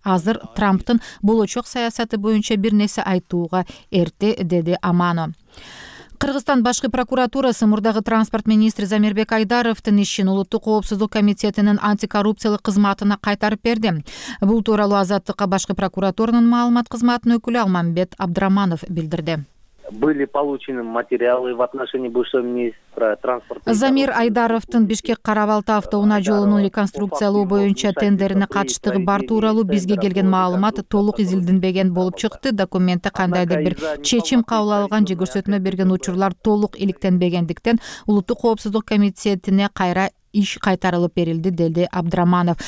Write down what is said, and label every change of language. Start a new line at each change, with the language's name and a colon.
Kyrgyz: Азыр Трамптын болочок саясаты боюнча бир нерсе айтууга эрте, деди Амано. Кыргызстан башкы прокуратурасы мурдагы транспорт министри Замирбек Айдаровдун ишин улуттук коопсуздук комитетинин антикоррупциялык кызматына кайтарып берди. Бул тууралуу Азаттыкка башкы прокуратуранын маалымат кызматынын өкүлү Алмамбет Абдраманов билдирди.
Russian: Были получены материалы в отношении бывшего министра транспорта.
Kyrgyz: Замир Айдаровдун Бишкек Каравалта автоуна жолунун реконструкциялоо боюнча тендерине катыштыгы бар тууралуу бизге келген маалымат толук изилденбеген болуп чыкты. Документте кандайдыр бир чечим кабыл алган же көрсөтмө берген учурлар толук иликтенбегендиктен улуттук коопсуздук комитетине кайра иш кайтарылып берилди, деди Абдраманов.